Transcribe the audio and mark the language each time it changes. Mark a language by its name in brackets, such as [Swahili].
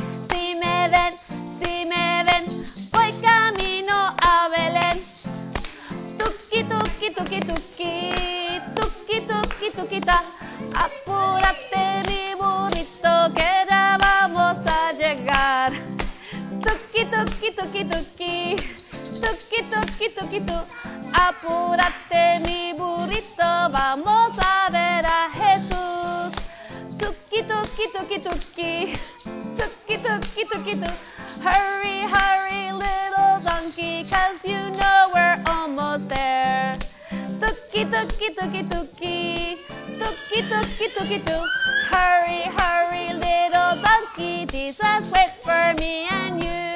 [Spanish] Si me ven, voy camino a Belén. Tuki, tuki, tuki, tuki, tuki, tuki, tuki, ta. Apúrate, mi burrito, que ya vamos a llegar. Tuki, tuki, tuki, tuki, tuki, tuki, tuki, tu. Apúrate, mi burrito, vamos a ver a Jesús. Tuki, tuki, tuki, tuki, tuki, tuki, tuki, tu. [English] Hurry, hurry, little donkey, 'cause you know we're almost there. Tuki, tuki, tuki, tuki, tuki, tuki, tuki, tu. Hurry, hurry, little donkey, Jesus, wait for me and you.